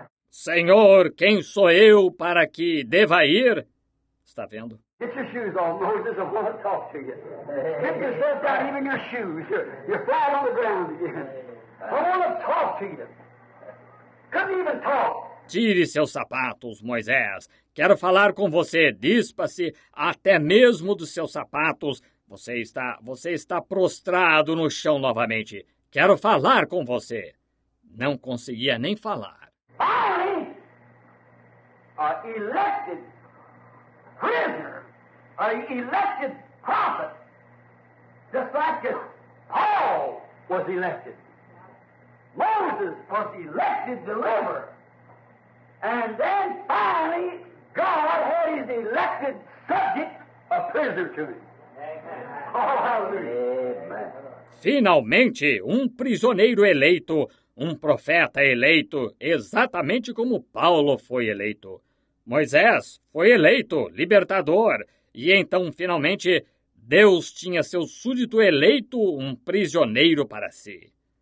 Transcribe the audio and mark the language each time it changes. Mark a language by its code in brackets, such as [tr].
[pt] Senhor, quem sou eu para que deva ir? Está vendo? [en] Get your shoes on, Moses, I want to talk to you. Get yourself down, even your shoes. You're flat on the ground again. I want to talk to you. Couldn't even talk. [pt] Tire seus sapatos, Moisés. Quero falar com você. Dispa-se até mesmo dos seus sapatos. Você está prostrado no chão novamente. Quero falar com você. Não conseguia nem falar. [en] Finally, an elected prisoner, an elected prophet, just like Paul was elected. Moses was elected deliverer. And then finally, God had his elected subject a prisoner to him. Amen. Oh, hallelujah. Amen. [pt] Finalmente, um prisioneiro eleito, um profeta eleito, exatamente como Paulo foi eleito. Moisés foi eleito, libertador. E então, finalmente, Deus tinha seu súdito eleito, um prisioneiro para si.